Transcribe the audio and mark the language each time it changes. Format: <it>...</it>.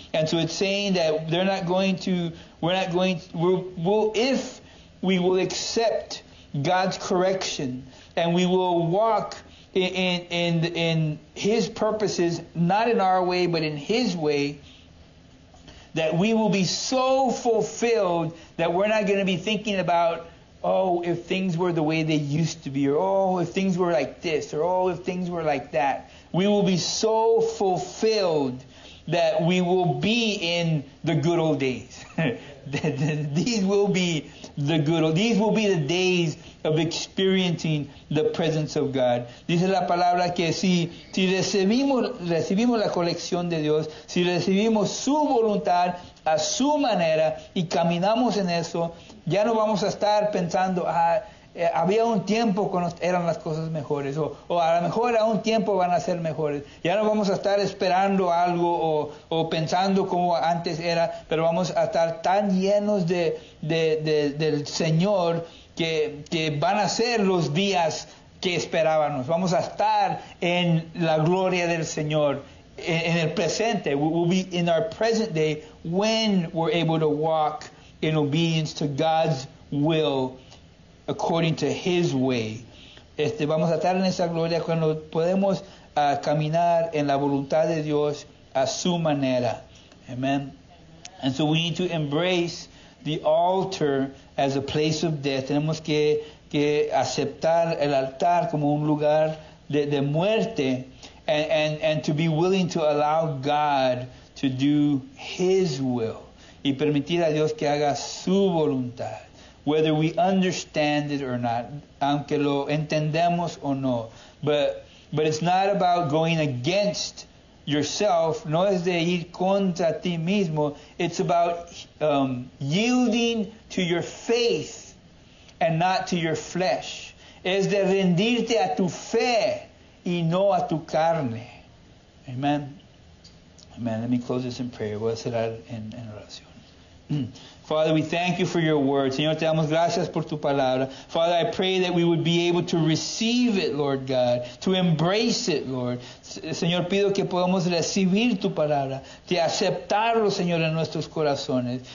<en>And so it's saying that if we will accept God's correction and we will walk in His purposes, not in our way, but in His way, that we will be so fulfilled that we're not going to be thinking about, oh, if things were the way they used to be, or oh, if things were like this, or oh, if things were like that. We will be so fulfilled that we will be in the good old days. These will be the days of experiencing the presence of God.</en> <es>Dice la palabra que si recibimos la corrección de Dios, si recibimos su voluntad a su manera y caminamos en eso, ya no vamos a estar pensando, había un tiempo cuando eran las cosas mejores, o a lo mejor a un tiempo van a ser mejores. Ya no vamos a estar esperando algo o pensando como antes era, pero vamos a estar tan llenos del Señor que van a ser los días que esperábamos. Vamos a estar en la gloria del Señor, en el presente.</es> <en>We'll be in our present day when we're able to walk in obedience to God's will, according to His way.</en> <es>Vamos a estar en esa gloria cuando podemos caminar en la voluntad de Dios a su manera.</es> <en>Amen. And so we need to embrace the altar as a place of death.</en> <es>Tenemos que aceptar el altar como un lugar de muerte,</es> <en>and to be willing to allow God to do His will.</en> <es>y permitir a Dios que haga su voluntad,</es> <en>whether we understand it or not,</en> <es>aunque lo entendamos o no.</es> <en>But it's not about going against yourself,</en> <es>no es de ir contra ti mismo,</es> <en>it's about yielding to your faith and not to your flesh.</en> <es>Es de rendirte a tu fe y no a tu carne. Amen. Amen.</es> <en>Let me close this in prayer.</en> <es>Voy a cerrar en oración.</es> <en>Father, we thank you for your word.</en> <es>Señor, te damos gracias por tu palabra.</es> <en>Father, I pray that we would be able to receive it, Lord God, to embrace it, Lord.</en> <es>Señor, pido que podamos recibir tu palabra, de aceptarlo, Señor, en nuestros corazones.</es>